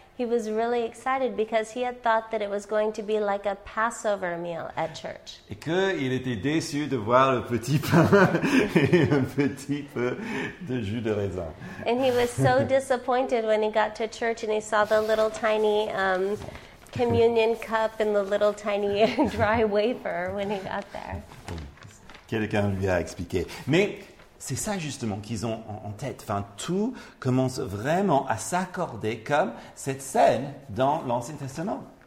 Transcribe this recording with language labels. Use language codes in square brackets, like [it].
[en] He was really excited because he had thought that it was going to be like a Passover meal at church. [fr] Et qu'il était déçu de voir le petit pain et un petit peu de jus de raisin. [en] And he was so disappointed when he got to church and he saw the little tiny communion cup and the little tiny dry wafer when he got there. [fr] Quelqu'un lui a expliqué. Mais c'est ça justement qu'ils ont en tête. Enfin, tout commence vraiment à s'accorder comme cette scène dans l'Ancien Testament.